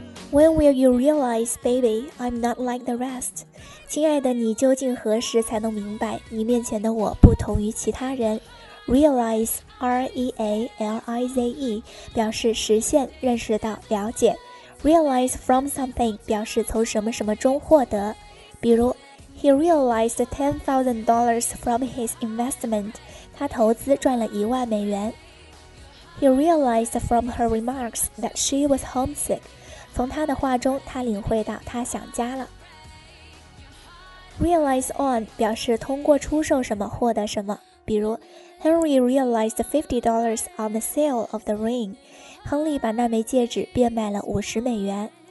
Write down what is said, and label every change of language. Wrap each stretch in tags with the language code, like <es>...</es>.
<en>When will you realize, baby, I'm not like the rest?</en> <zh>亲爱的，你究竟何时才能明白你面前的我不同于其他人？ Realize, R-E-A-L-I-Z-E, 表示实现、认识到、了解。</zh> <en>Realize from something,</en> <zh>表示从什么什么中获得。</zh> <en>比如He realized $10,000 from his investment.</en> <zh>他投资赚了一万美元。</zh> <en>He realized from her remarks that she was homesick.</en> <zh>从他的话中，他领会到他想家了。 Realize on 表示通过出售什么获得什么。</zh> <en>比如 ,Henry realized $50 on the sale of the ring.</en> <zh>亨利把那枚戒指变卖了50美元。</zh>